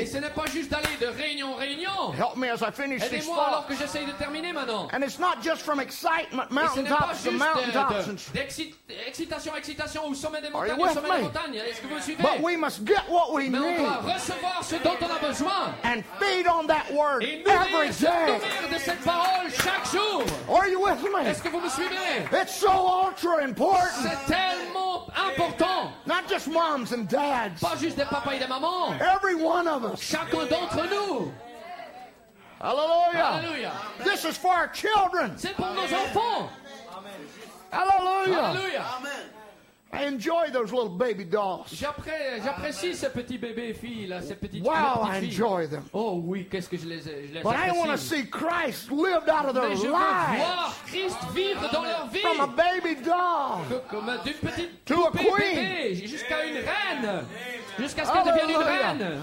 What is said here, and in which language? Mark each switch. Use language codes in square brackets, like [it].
[fr] Et ce n'est pas juste d'aller de réunion en réunion. [en] Help me as I finish this thought. [fr] Aidez-moi alors que j'essaye de terminer maintenant. [en] And it's not just from excitement, mountaintops to mountaintops. [fr] Excitation au sommet des montagnes, au sommet des montagnes. Est-ce que vous me suivez? [en] But we must get what we [fr] mais [en] need. [fr] On doit recevoir ce dont on a besoin. [en] And feed on that word [fr] et nourrir, [en] every day. [fr] Nourrir de cette parole chaque jour. [en] Are you with me? [fr] Est-ce que vous me suivez? [en] So ultra important. [fr] C'est tellement important. [en] Not just moms and dads. [fr] Pas juste des papas et des mamans. [en] Every one of us. [fr] Chacun d'entre nous. [en] Hallelujah. Hallelujah. This is for our children. [fr] C'est pour nos enfants. [en] Hallelujah. Hallelujah. I enjoy those little baby dolls. [fr] J'apprécie ces petits bébés filles là, ces petites [en] wow, [fr] filles. [en] Wow, I enjoy them. [fr] Oh oui, qu'est-ce que je les [en] But [fr] apprécie. [en] But I want to see Christ lived out of their lives. [fr] Mais je veux voir Christ vivre dans leur vie. [en] From a baby doll. [fr] Comme d'une petite [en] to a queen. [fr] Bébé, jusqu'à une reine. Jusqu'à ce qu'elle devienne une reine.